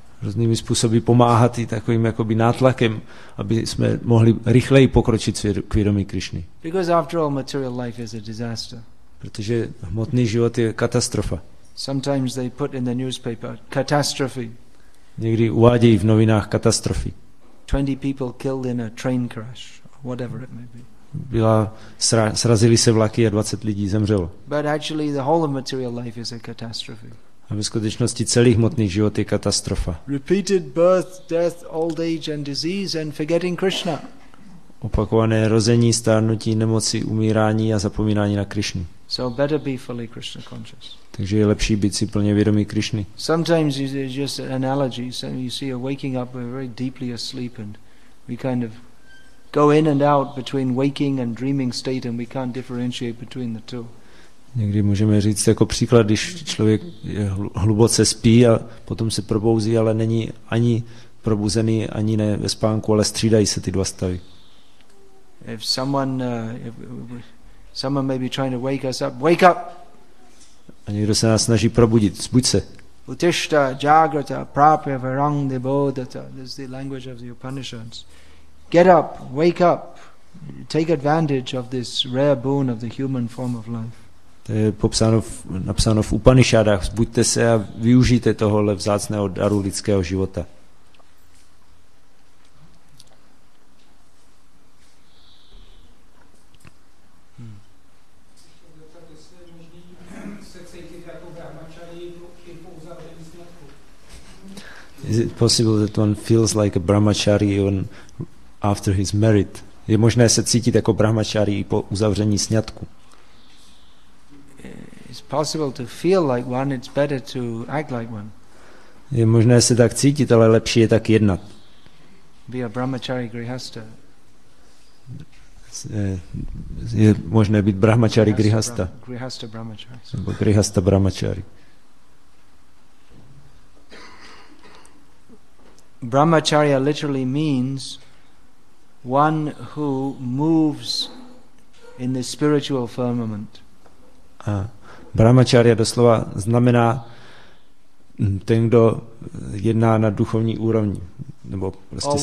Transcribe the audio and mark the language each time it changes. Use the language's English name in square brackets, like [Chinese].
[Czech] Různými způsoby pomáhat i takovým jakoby nátlakem, aby jsme mohli rychleji pokročit k vědomí Krišny. [English] Because after all, material life is a disaster. [Czech] Protože hmotný život je katastrofa. [English] Sometimes they put in the newspaper catastrophe. [Czech] Někdy uvádějí v novinách katastrofy. [English] 20 people killed in a train crash, whatever it may be. [Czech] Srazili se vlaky a 20 lidí zemřelo. [English] But actually the whole of material life is a catastrophe. [Czech] A ve skutečnosti celý hmotný život je katastrofa. [English] Repeated birth, death, old age and disease and forgetting Krishna. [Czech] Opakované rození, stárnutí, nemoci, umírání a zapomínání na Krišnu. [English] So better be fully Krishna conscious. [Czech] Takže je lepší být si plně vědomý Krišny. [English] Sometimes it's just an analogy. So you see, you're waking up, we're very deeply asleep, and we kind of go in and out between waking and dreaming state, and we can't differentiate between the two. [Czech] Někdy můžeme říct jako příklad, když člověk je hluboce spí a potom se probouzí, ale není ani probuzený, ani ne ve spánku, ale střídají se ty dva stavy. [English] If someone may be trying to wake us up, wake up. [Czech] A někdo se nás snaží probudit, zbuď se. [Sanskrit] Utishta jagrata prapya varang nibodhata. [English] This is the language of the Upanishads. Get up, wake up. Take advantage of this rare boon of the human form of life. [Czech] To je popsáno napsáno v Upanishadách. Zbuďte se a využijte tohohle vzácného daru lidského života. [English] Is it possible that one feels like a brahmachari even after his merit? [Czech] Je možné se cítit jako brahmachari i po uzavření sňatku? [English] It's possible to feel like one, it's better to act like one. [Czech] Je možné se tak cítit, ale lepší je tak jednat. [English] Be a brahmachari grihasta. [Czech] Je možné být brahmachari grihasta. [English] Grihasta brahmachari. [Czech] Nebo grihasta brahmachari. [English] Brahmacharya literally means one who moves in the spiritual firmament. [Czech] A brahmacharya doslova znamená ten, kdo jedná na duchovní úrovni, nebo prostě